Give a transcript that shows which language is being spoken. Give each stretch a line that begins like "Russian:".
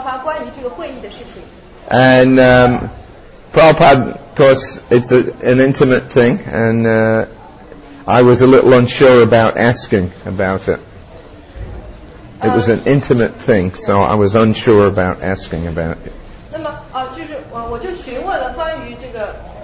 Chinese: 在1976年9月份的时候呢，我在还是在Vrindavan的这里，那么我就问了Shri
English: And Prabhupada, of course, it's an intimate thing, and I was a little unsure about asking about it. It was an intimate thing, so I was unsure about asking about it.
Chinese: 那么就是我就询问了关于这个。